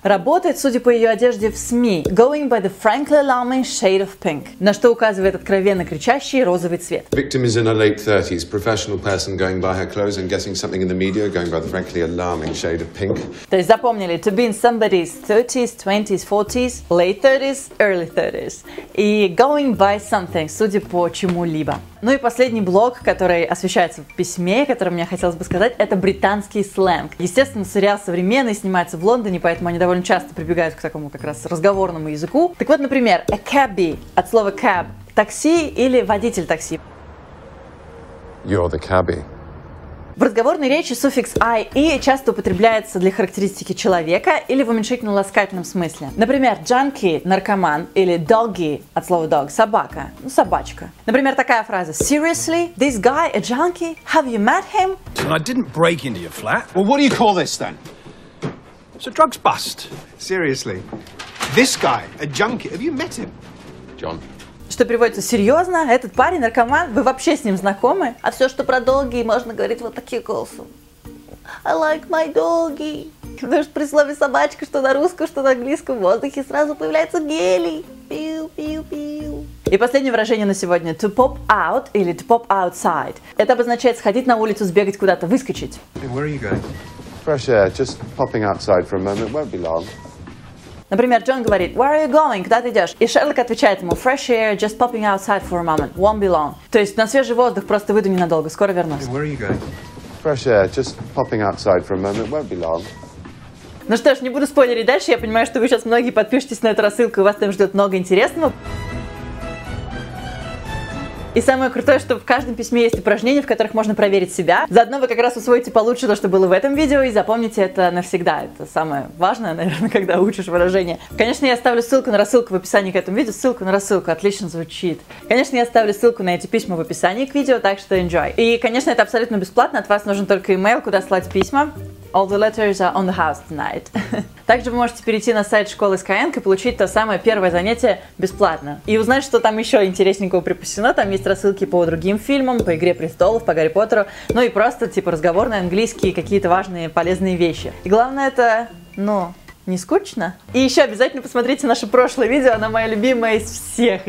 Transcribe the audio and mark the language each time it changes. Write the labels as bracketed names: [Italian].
[Russian] Работает, судя по ее одежде, в СМИ. [English] Going by the frankly alarming shade of pink. [Russian] На что указывает откровенно кричащий розовый цвет. [English] Victim is in her late 30s, professional person going by her clothes and guessing something in the media, going by the frankly alarming shade of pink. [Russian] То есть запомнили, [English] to be in somebody's 30s, 20s, 40s, late 30s, early 30s. [Russian] И [English] going by something, [Russian] судя по чему-либо. Ну и последний блок, который освещается в письме, который мне хотелось бы сказать, это британский сленг. Естественно, сериал современный, снимается в Лондоне, поэтому они довольно часто прибегают к такому как раз разговорному языку. Так вот, например, a cabby от слова cab, такси или водитель такси. [English] You're the cabby. [Russian] В разговорной речи суффикс "-ie" часто употребляется для характеристики человека или в уменьшительно-ласкательном смысле. Например, junkie – наркоман, или doggy – от слова dog – собака, ну, собачка. Например, такая фраза: [English] Seriously? This guy a junkie? Have you met him? I didn't break into your flat. Well, what do you call this then? It's a drugs bust. Seriously? This guy a junkie? Have you met him? John. [Russian] Что переводится серьезно, этот парень наркоман, вы вообще с ним знакомы? А все, что про долги, можно говорить вот таким голосом. [English] I like my doggy. [Russian] Потому что при слове собачка, что на русском, что на английском, в воздухе сразу появляется гелий. Пиу, пиу, пиу. И последнее выражение на сегодня. [English] To pop out или to pop outside. [Russian] Это обозначает сходить на улицу, сбегать куда-то, выскочить. [English] Hey, where are you going? Fresh air, just popping outside for a moment, won't be long. [Russian] Например, Джон говорит, [English] where are you going? [Russian] Куда ты идешь? И Шерлок отвечает ему, [English] fresh air, just popping outside for a moment, won't be long. [Russian] То есть на свежий воздух просто выйду ненадолго, скоро вернусь. [English] Hey, where are you going? fresh air. Just popping outside for a moment. Won't be long. [Russian] Ну что ж, не буду спойлерить дальше. Я понимаю, что вы сейчас многие подпишетесь на эту рассылку, и вас там ждет много интересного. И самое крутое, что в каждом письме есть упражнения, в которых можно проверить себя. Заодно вы как раз усвоите получше то, что было в этом видео, и запомните это навсегда. Это самое важное, наверное, когда учишь выражение. Конечно, я оставлю ссылку на рассылку в описании к этому видео. Ссылку на рассылку, отлично звучит. Конечно, я оставлю ссылку на эти письма в описании к видео, так что enjoy. И, конечно, это абсолютно бесплатно, от вас нужен только имейл, куда слать письма. [English] All the letters are on the house tonight. [Russian] Также вы можете перейти на сайт школы Skyeng и получить то самое первое занятие бесплатно. И узнать, что там еще интересненького припасено. Там есть рассылки по другим фильмам, по «Игре престолов», по «Гарри Поттеру». Ну и просто, типа, разговорные английские, какие-то важные, полезные вещи. И главное это, ну, не скучно? И еще обязательно посмотрите наше прошлое видео, оно мое любимое из всех.